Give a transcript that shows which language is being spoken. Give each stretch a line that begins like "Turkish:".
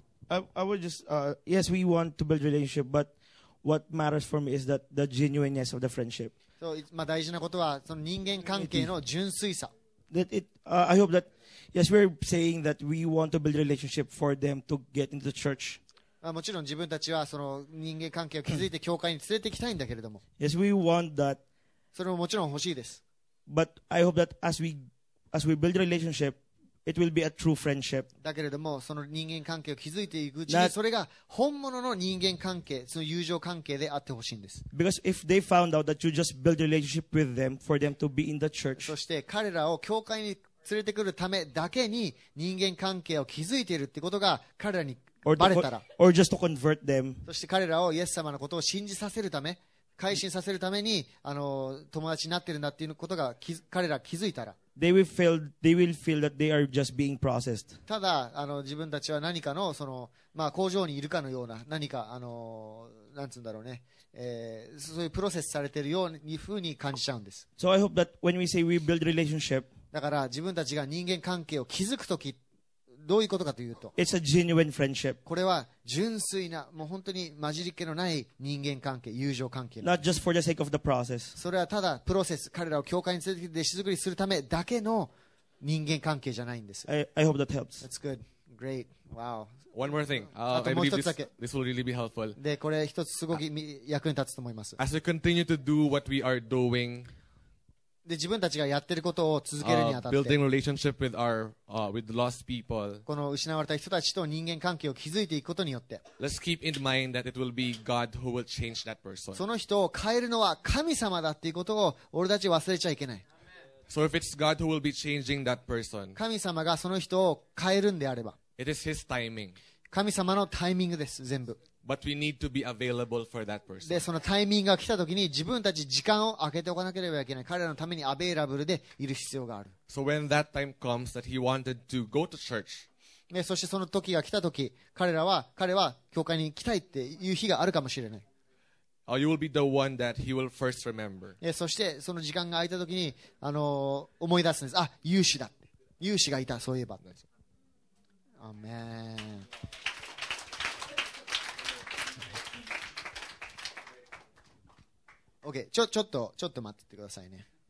English: I would just yes, we want to build relationship, but what matters for me is that the genuineness of the friendship.
Japanese: So, まあ大事なことはその人間関係の純粋さ。
English: That it, I hope that. Yes, we're saying that we want to build a relationship for them to get into the church.
Japanese: もちろん自分たちはその人間関係を築いて教会に連れて行きたいんだけれども。
English: Yes, we want that.
Japanese: それももちろん欲しいです。
English: But I hope that as we build a relationship, it will be a true friendship.
Japanese: だけれども、その人間関係を築いていくうちに、それが本物の人間関係、その友情関係であってほしいんです。
English: Because if they found out that you just build a relationship with them for them to be in the church.
Japanese: そして彼らを教会に連れてくるためだけに人間関係を築いているってことが彼らにバレたら
English: or just to convert them.
Japanese: そして彼らをイエス様のことを信じさせるため改心させるためにあの友達になってるんだっていうことが彼ら気づいたら
English: they will feel that they are just being processed.
Japanese: ただあの自分たちは何かの、 その、まあ、工場にいるかのような何かあのなんつうんだろうね、そういうプロセスされているようにふうに感じちゃうんです
English: So I hope that when we say we build relationship
Japanese: だから自分たちが人間関係を築くときどういうことかというと
English: It's a genuine friendship.
Japanese: これは純粋なもう本当に混じりっ気のない人間関係友情関係
English: Not just for the sake of the process.
Japanese: それはただプロセス彼らを教会に連れてきて弟子作りするためだけの人間関係じゃないんです
English: I hope that helps. That's good. Great. Wow. One more thing.
Japanese: あともう一つだけ
English: this will really be helpful.
Japanese: でこれ一つすごく役に立つと思います
English: As we continue to do what we are doing
Japanese: で自分たちがやってることを続けるにあたって、
English: building relationship with our with lost people
Japanese: この失われた人たちと人間関係を築いていくことによって、
English: let's keep in mind that it will be God who will change that person
Japanese: その人を変えるのは神様だっていうことを俺たち忘れちゃいけない。
English: So if it's God who will be changing that person
Japanese: 神様がその人を変えるんであれば、
English: it is His timing
Japanese: 神様のタイミングです全部。
English: But we need to be available for that person.
Japanese: で、そのタイミングが来た時に自分たち時間を空けておかなければいけない。彼らのためにアベイラブルでいる必要がある。
English: So when that time comes that he wanted to go to church.
Japanese: で、そしてその時が来た時、彼は教会に来たいっていう日があるかもしれない。
English: You will be the one that he will first remember.
Japanese: で、そしてその時間が空いた時に、思い出すんです。あ、勇士だって。勇士がいた、そういえば。アーメン。 OK、ちょっと待っててくださいね。